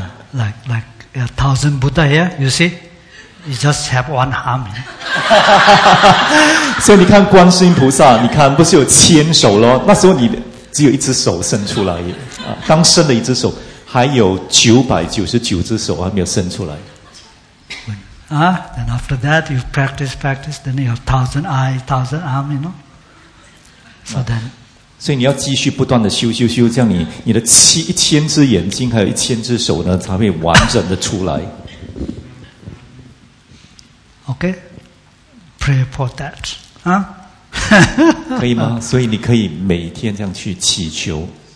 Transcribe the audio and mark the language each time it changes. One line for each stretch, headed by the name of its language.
English: like a thousand Buddha here, you see, you just have one arm.
Chinese: 所以你看观世音菩萨，你看不是有千手咯？那时候你只有一只手伸出来，啊，刚伸了一只手。还有999只手还没有伸出来。
English: Then after that you practice, then you have 1,000 eyes, 1,000 arms, you know. So then,
Chinese: 所以你要继续不断的修，这样你的1,000只眼睛还有1,000只手呢，才会完整的出来。
English: Okay, pray for that, 啊？
Chinese: 可以吗？所以你可以每天这样去祈求。